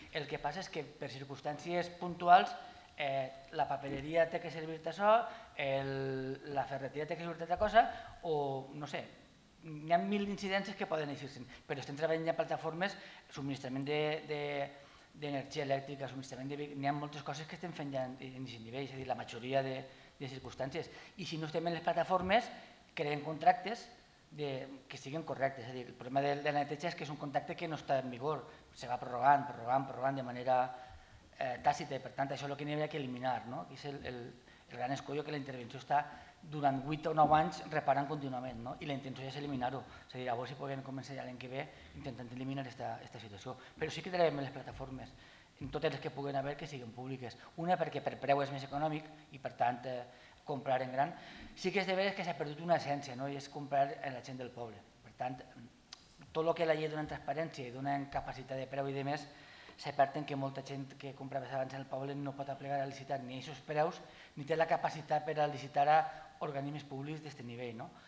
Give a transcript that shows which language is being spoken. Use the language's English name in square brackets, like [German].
[Catalan] El que passa és que per circumstàncies puntuals la papeleria té que servir-te això, la ferreteria té que servir-te altra cosa, o no sé, hi ha mil incidències que poden eixir-se'n, però estem treballant ja en plataformes, subministrament d'energia elèctrica, subministrament de... Hi ha moltes coses que estem fent ja en aquest nivell, és a dir, la majoria de circumstàncies. I si no estem en les plataformes, creem contractes [Spanish] que siguen correctas. Es decir, el problema de la ETH es que es un contacto que no está en vigor. Se va prorrogando de manera tácita. Por tanto, eso es lo que había que eliminar, ¿no? Que es el gran escollo que la intervención está durante 8 o 9 años reparando continuamente, ¿no? Y la intención es eliminarlo. Es decir, a ver si pueden convencer a alguien que ve intentando eliminar esta situación. Pero sí que traen las plataformas, [Catalan] en totes les que puguen haver que siguin públiques. Una, perquè per preu és més econòmic i, per tant, comprar en gran. Sí que és de veres que s'ha perdut una essència, no? I és comprar en la gent del poble. Per tant, tot el que la llei dona en transparència i dona en capacitat de preu i de més, se perten que molta gent que comprava abans en el poble no pot aplicar a licitar ni aquests preus, ni té la capacitat per a licitar a organismes públics d'aquest nivell, no?